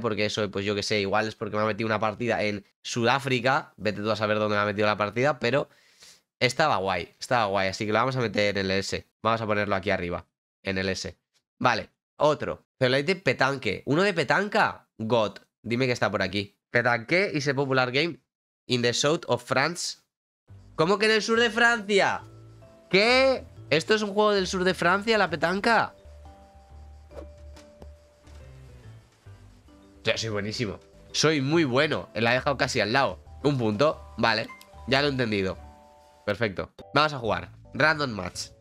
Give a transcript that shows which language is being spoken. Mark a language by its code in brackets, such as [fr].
[es] Porque eso, pues yo que sé. Igual es porque me ha metido una partida en Sudáfrica. Vete tú a saber dónde me ha metido la partida. Pero estaba guay, así que lo vamos a meter en el S. Vamos a ponerlo aquí arriba, en el S. Vale, otro. Pero hay de petanque, ¿uno de petanca? [en] God, [es] dime que está por aquí. [en] Petanque is a popular game in the south of France. [es] ¿Cómo que en el sur de Francia? ¿Qué? ¿Esto es un juego del sur de Francia, la petanca? Ya, soy buenísimo. Soy muy bueno. La he dejado casi al lado. Un punto. Vale. Ya lo he entendido. Perfecto. Vamos a jugar. Random match.